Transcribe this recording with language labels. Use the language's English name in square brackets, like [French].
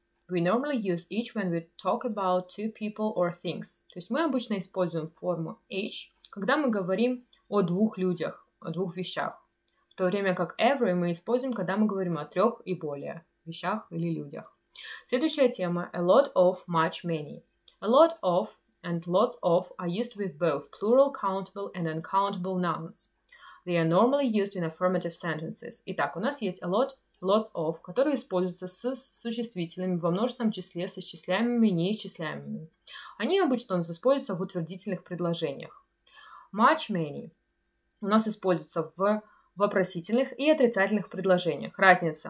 [English] We normally use each when we talk about two people or things. [Russian] То есть мы обычно используем форму each, когда мы говорим о двух людях, о двух вещах. В то время как every мы используем, когда мы говорим о трех и более вещах или людях. Следующая тема. [English] A lot of, much, many. A lot of and lots of are used with both plural countable and uncountable nouns. They are normally used in affirmative sentences. [Russian] Итак, у нас есть a lot, lots of, которые используются с существительными во множественном числе, с исчисляемыми и неисчисляемыми. Они обычно у нас используются в утвердительных предложениях. Much, many у нас используются в вопросительных и отрицательных предложениях. Разница.